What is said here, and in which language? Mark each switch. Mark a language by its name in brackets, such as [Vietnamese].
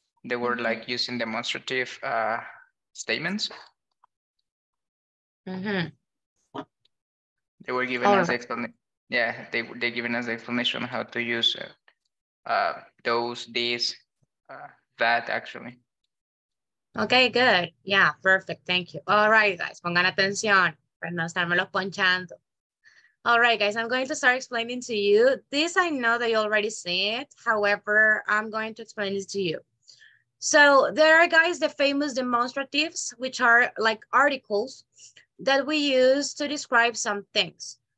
[English] They were like using demonstrative statements. Mm-hmm. They were giving us explanation. Yeah, they giving us explanation on how to use those, these, that actually. Okay, good. Yeah, perfect. Thank you. All right, guys, [Spanish] pongan atención para no estarme los ponchando. [English] All right, guys, I'm going to start explaining to you. This, I know that you already see it. However, I'm going to explain it to you. So there are, guys, the famous demonstratives, which are like articles that we use to describe some things.